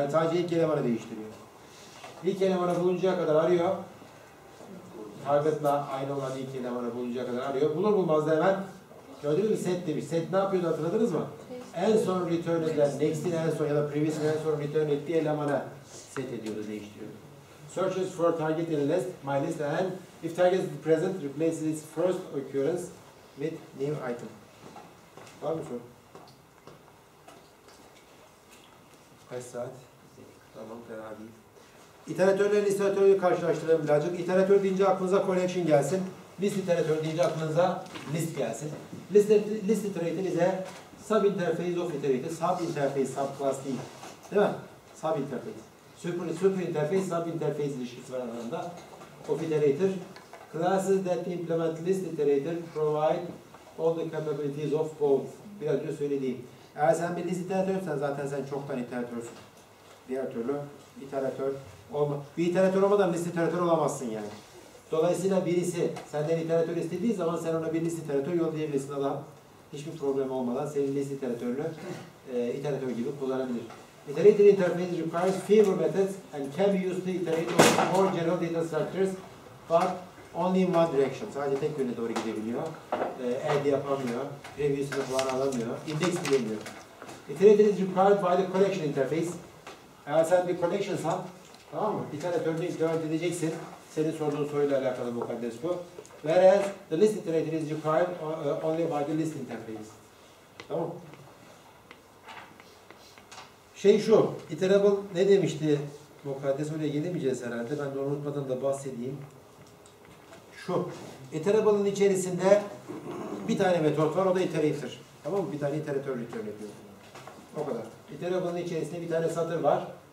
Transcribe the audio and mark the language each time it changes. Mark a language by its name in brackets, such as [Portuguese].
[Turkish] Yani sadece ilk elemanı değiştiriyor. İlk elemanı buluncaya kadar arıyor. Target'la aynı olan ilk elemanı buluncaya kadar arıyor. Bulur bulmaz da hemen gördünüz mü set demiş. Set ne yapıyordu hatırladınız mı? En son return eden next'in en son ya da previous'in en son return ettiği elemanı set ediyordu, değiştiriyordu. [English] Searches for target in list, my list and if target is present replaces its first occurrence with new item. [Turkish] Var mı soru? Kaç saat? Tamam, fena değil. İteratörle list iteratörü karşılaştıralım birazcık. İteratör deyince aklınıza collection gelsin. List iteratör deyince aklınıza list gelsin. List iteratör ise sub interface of iteratör. Sub interface, sub class değil. Değil mi? Sub interface. Super interface, sub interface ilişkisi var aralarında. [English] Of iteratör. Classes that implement list iterator provide all the capabilities of both. [Turkish] Biraz önce söylediğim. Eğer sen bir list iteratörsen zaten sen çoktan iteratörsün. Diğer türlü iteratör olma. Bir iteratör olmadan list iteratör olamazsın yani. Dolayısıyla birisi senden iteratör istediği zaman sen ona bir list iteratör yollayabilirsin adam. Hiçbir problem olmadan senin list iteratörünü iteratör gibi kullanabilir. [English] Iterator interface requires fewer methods and can be used to iterate on more general data structures but only in one direction. [Turkish] Sadece tek yöne doğru gidebiliyor. Add yapamıyor. Previous'ını falan alamıyor. Index bilemiyor. [English] Iterator is required by the collection interface. [Turkish] Eğer sen bir collection'san, tamam mı? Bir tane törde iterat edeceksin. Senin sorduğun soruyla alakalı bu kardeş bu. [English] Whereas the list iterator is required only by the list interface. [Turkish] Tamam. Şey şu. Iterable ne demişti bu kardeş? Oraya gelemeyeceğiz herhalde. Ben de unutmadan da bahsedeyim. Şu, iterable'ın içerisinde bir tane metot var, o da iterator. Tamam mı? Bir tane iteratör return ediyor. O kadar. Iterable'ın içerisinde bir tane satır var.